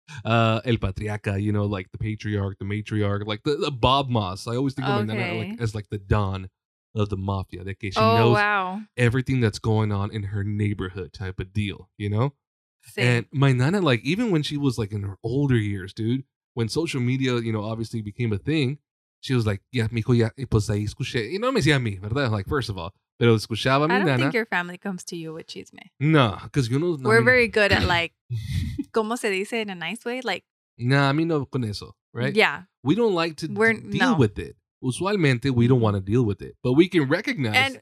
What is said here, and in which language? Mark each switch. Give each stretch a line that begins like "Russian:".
English: El patriarca, you know, like the patriarch, the matriarch, like the Bob Moss. I always think of my nana, like, as, like, the Don of the mafia. De que she knows everything that's going on in her neighborhood type of deal, you know?
Spanish: Sí.
English: And my nana, like, even when she was, like, in her older years, dude, when social media, you know, obviously became a thing,
Spanish: She was like, yeah, mijo, ya, y pues ahí escuché. Y no me decía a mí, ¿verdad? Like, first of all. Pero escuchaba a mi nana.
English: I don't think your family comes to you with chisme. No, because you know. We're very good at like, ¿cómo se dice in a nice way? Like.
Spanish: Nah, a mí no con eso, right?
English: Yeah. We don't like to deal with it. Usualmente, we don't want to deal with it. But we can recognize.